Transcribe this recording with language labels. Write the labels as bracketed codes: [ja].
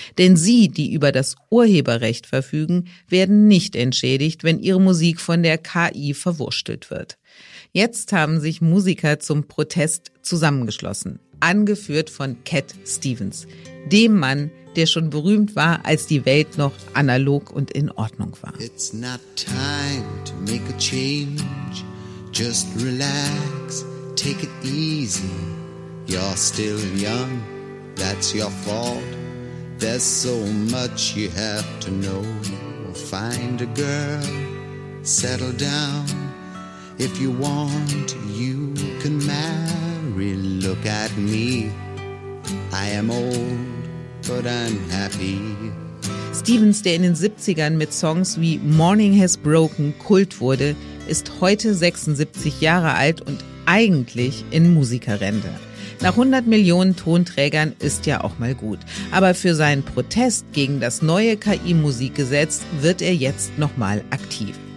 [de] Denn sie, die über das Urheberrecht verfügen, werden nicht entschädigt, wenn ihre Musik von der KI verwurstelt wird. Jetzt haben sich Musiker zum Protest zusammengeschlossen, angeführt von Cat Stevens, dem Mann, der schon berühmt war, als die Welt noch analog und in Ordnung war. [en] It's not time to make a change, just relax. Take it easy, you're still young, that's your fault. There's so much you have to know. Find a girl, settle down. If you want, you can marry. Look at me, I am old, but I'm happy. [de] Stevens, der in den 70ern mit Songs wie Morning Has Broken Kult wurde, ist heute 76 Jahre alt und eigentlich in Musikerrente. Nach 100 Millionen Tonträgern ist ja auch mal gut. Aber für seinen Protest gegen das neue KI-Musikgesetz wird er jetzt nochmal aktiv.